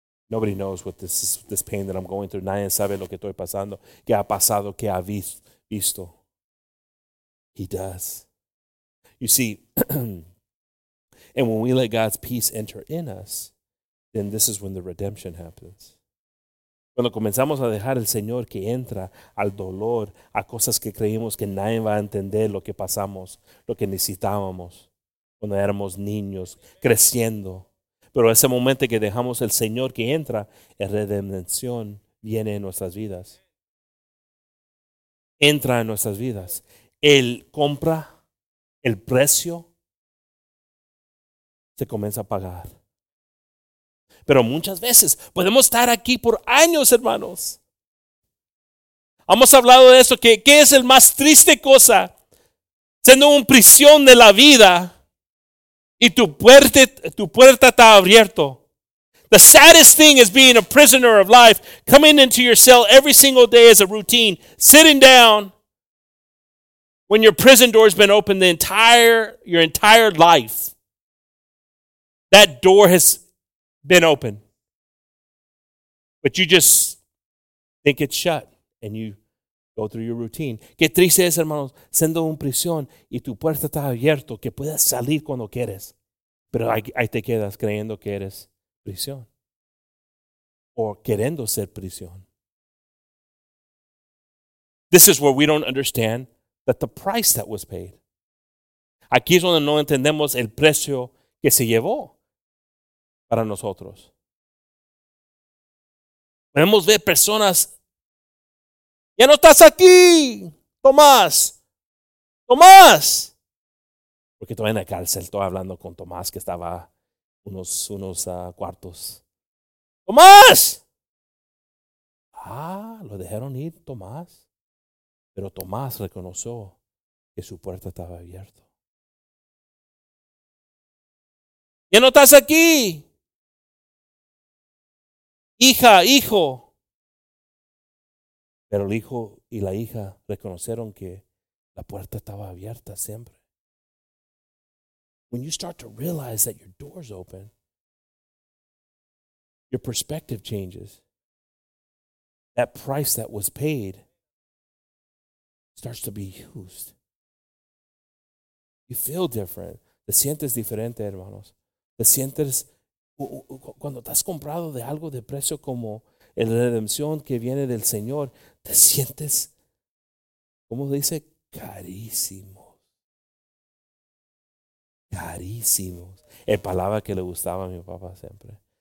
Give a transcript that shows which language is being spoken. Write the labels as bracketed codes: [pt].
[en] Nobody knows what this pain that I'm going through. [es] Nadie sabe lo que estoy pasando. ¿Qué ha pasado? ¿Qué ha visto? [en] He does. You see, and when we let God's peace enter in us, then this is when the redemption happens. [es] Cuando comenzamos a dejar el Señor que entra al dolor, a cosas que creímos que nadie va a entender lo que pasamos, lo que necesitábamos cuando éramos niños, creciendo. Pero ese momento que dejamos el Señor que entra, la redención viene en nuestras vidas. Entra en nuestras vidas. Él compra, el precio se comienza a pagar. Pero muchas veces podemos estar aquí por años, hermanos. Hemos hablado de eso, que es el más triste cosa, siendo un prisión de la vida. Y tu puerta está abierto. [en] The saddest thing is being a prisoner of life, coming into your cell every single day as a routine, sitting down when your prison door has been open your entire life. That door has been open. But you just think it's shut and you go through your routine. [es] Qué triste es, hermanos, siendo un prisión y tu puerta está abierto, que puedas salir cuando quieres. Pero ahí te quedas creyendo que eres prisión. O queriendo ser prisión. This is where we don't understand that the price that was paid. Aquí es donde no entendemos el precio que se llevó para nosotros. Podemos ver personas. Ya no estás aquí, Tomás. Tomás. Porque todavía en la cárcel estoy hablando con Tomás que estaba unos cuartos. ¡Tomás! Ah, lo dejaron ir, Tomás. Pero Tomás reconoció que su puerta estaba abierta. ¿Ya no estás aquí? Hija, hijo. Pero el hijo y la hija reconocieron que la puerta estaba abierta siempre. [en] When you start to realize that your door's open, your perspective changes. That price that was paid starts to be used. You feel different. [es] Te sientes diferente, hermanos. Te sientes, cuando te has comprado de algo de precio como la redención que viene del Señor, te sientes, ¿cómo dice? Carísimos. Carísimos. Es palabra que le gustaba a mi papá siempre.